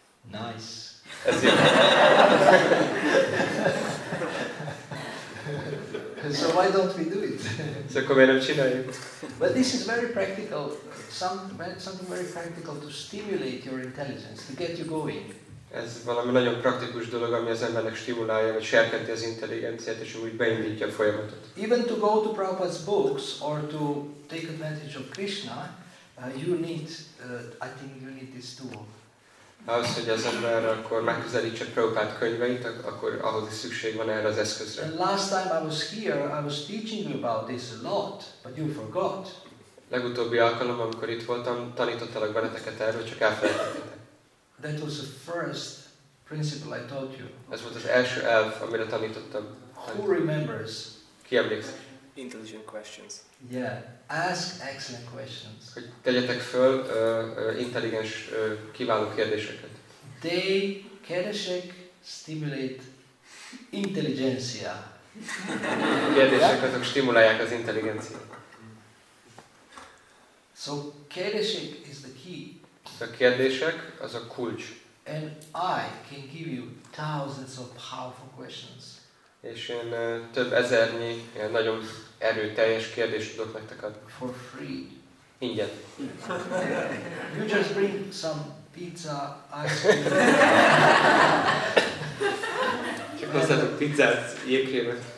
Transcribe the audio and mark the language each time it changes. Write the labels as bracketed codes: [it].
[en] Nice. So why don't we do it? So come in and chinai. But this is very practical. Something very practical to stimulate your intelligence, to get you going. [hu] Ez valami nagyon praktikus dolog, ami az embernek stimulálja, vagy serkenti az intelligenciát, és úgy beindítja a folyamatot. [en] Even to go to Prabhupada's books or to take advantage of Krishna, you need these tools. [hu] Ahhoz, hogy az ember akkor megközelítse Prabhupád könyveit, akkor ahhoz is szükség van erre az eszközre. [en] And last time I was here, I was teaching you about this a lot, but you forgot. [hu] Legutóbbi alkalom, amikor itt voltam, tanítottalak benneteket erről, csak elfelejtettetek. [en] That was the first principle I taught you. [hu] Ez volt az első elv, amire tanítottam. [en] Who remembers? [hu] Ki emlékszik? [en] Intelligent questions. Yeah, ask excellent questions. [hu] Hogy tegyetek föl intelligens, kiváló kérdéseket. [en] They keresek stimulate intelligencia. [hu] Kérdések azok stimulálják az intelligenciát. [en] So keresek is the key. [hu] A kérdések az a kulcs. [en] And I can give you thousands of powerful questions. [hu] És én több ezernyi nagyon erőteljes kérdést tudok nektek adni. [en] For free. [hu] Ingyen. [en] You just bring some pizza, ice cream. [hu] Csak hozzátok pizzát, jégkrémet.